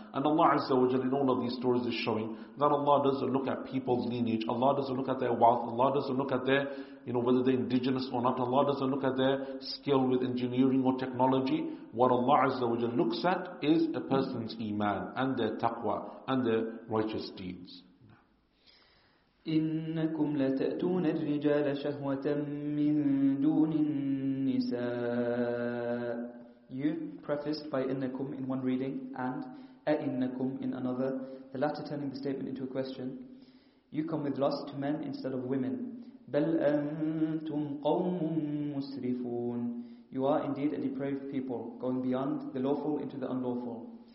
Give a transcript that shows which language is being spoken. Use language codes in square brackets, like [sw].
[en] And Allah Azza wa Jalla, in all of these stories, is showing that Allah doesn't look at people's lineage, Allah doesn't look at their wealth, Allah doesn't look at their, you know, whether they're indigenous or not, Allah doesn't look at their skill with engineering or technology. What Allah Azza wa Jalla looks at is a person's iman and their taqwa and their righteous deeds. [ar] إنكم لتأتون الرجال شهوة من دون النساء. [en] You prefaced by إنكم in one reading and أإنكم in another, the latter turning the statement into a question. You come with lust to men instead of women. [ar] بل أنتم قوم مسرفون. [en] You are indeed a depraved people, going beyond the lawful into the unlawful.